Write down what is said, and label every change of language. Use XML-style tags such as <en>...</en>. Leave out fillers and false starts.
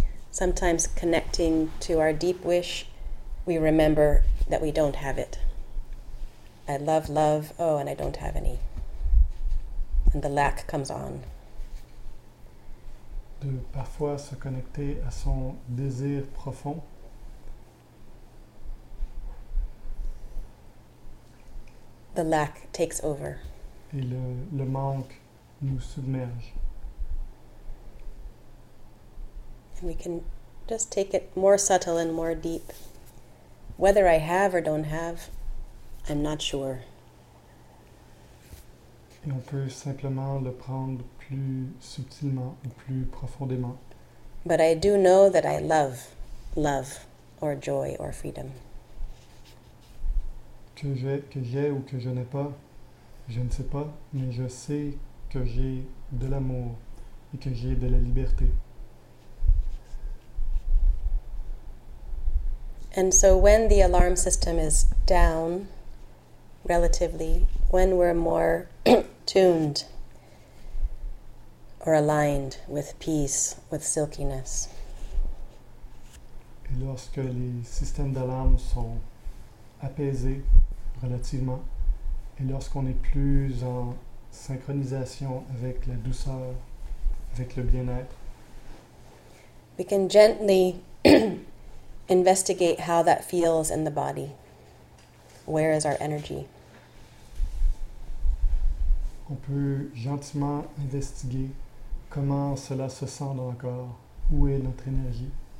<en>Sometimes connecting to our deep wish, we remember that we don't have it. I love love, and I don't have any. And the lack comes on.</en> <fr>De parfois se connecter à son désir profond.</fr> <en>The lack takes over.</en> <fr>Et le manque nous submerge.</fr> <en>And we can just take it more subtle and more deep. Whether I have or don't have, I'm not sure.</en> <fr>Et on peut simplement le prendre plus subtilement ou plus profondément.</fr> <en>But I do know that I love, love, or joy, or freedom.</en> <fr>que j'ai ou que je n'ai pas, je ne sais pas, mais je sais que j'ai de l'amour et que j'ai de la liberté.</fr> <en>And so when the alarm system is down, relatively, when we're more tuned or aligned with peace, with silkiness.</en> <fr>Et lorsque les systèmes d'alarme sont apaisés relativement, et lorsqu'on est plus en synchronisation avec la douceur, avec le bien-être,</fr> <en>we can gently investigate how that feels in the body. Where is our energy?</en> <fr>On peut gentiment investiguer comment cela se sent dans le corps. Où est notre énergie?</fr>